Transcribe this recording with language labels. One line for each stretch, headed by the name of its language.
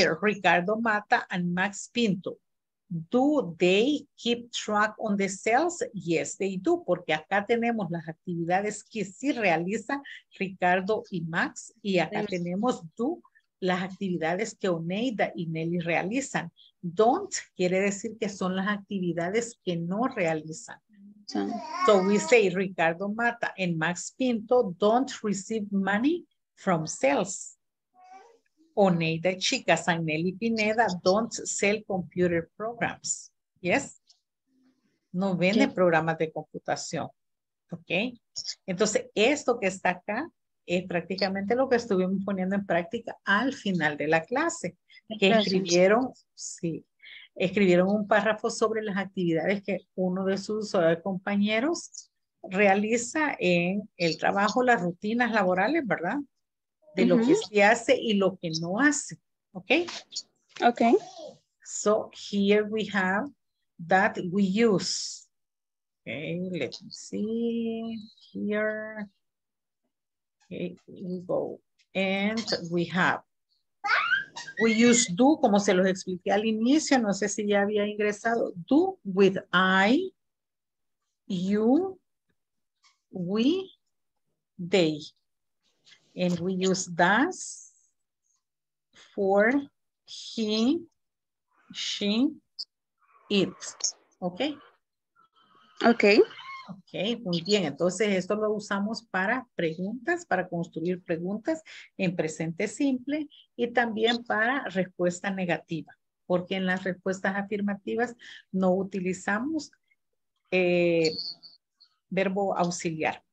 English: Here, Ricardo Mata and Max Pinto. Do they keep track on the sales? Yes, they do.
Spanish: Porque acá tenemos las actividades que sí realizan Ricardo y Max. Y acá yes. Tenemos do las actividades que Oneida y Nelly realizan. Don't quiere decir que son las actividades que no realizan.
English: So we say Ricardo Mata and Max Pinto don't receive money from sales. Oneida Chicas and Nelly Pineda don't sell computer programs.
Spanish: Yes? No vende programas de computación. Ok. Entonces, esto que está acá es prácticamente lo que estuvimos poniendo en práctica al final de la clase. Que escribieron, sí. Escribieron un párrafo sobre las actividades que uno de sus compañeros realiza en el trabajo, las rutinas laborales, ¿verdad? De uh-huh. Lo que sí hace y lo que no hace. ¿Ok? Ok.
English: So, here we have that we use. Ok, let me see here. Ok, we go. And we have. We use do,
Spanish: como se los expliqué al inicio, no sé si ya había ingresado.
English: Do with I, you, we, they. And we use does for he, she, it. ¿Ok? Ok.
Spanish: Ok, muy bien. Entonces, esto lo usamos para preguntas, para construir preguntas en presente simple y también para respuesta negativa. Porque en las respuestas afirmativas no utilizamos verbo auxiliar.